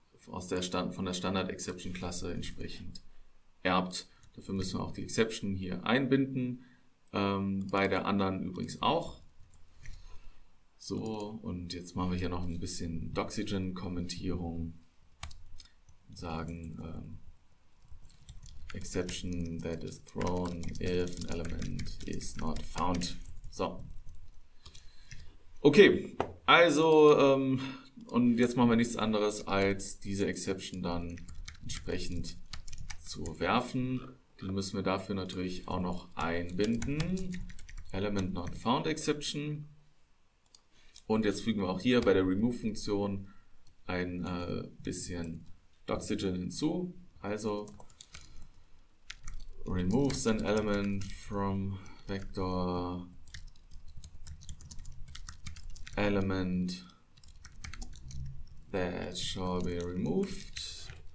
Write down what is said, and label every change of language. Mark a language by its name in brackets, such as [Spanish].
[German] von der Standard-Exception-Klasse entsprechend erbt. Dafür müssen wir auch die Exception hier einbinden. Bei der anderen übrigens auch. So, und jetzt machen wir hier noch ein bisschen Doxygen-Kommentierung. Sagen [English] Exception that is thrown if an element is not found. [German] So. Okay, also und jetzt machen wir nichts anderes, als diese Exception dann entsprechend zu werfen. Die müssen wir dafür natürlich auch noch einbinden. Element not found exception. Und jetzt fügen wir auch hier bei der Remove-Funktion ein bisschen Doxygen hinzu. [English] Also removes an element from vector element that shall be removed.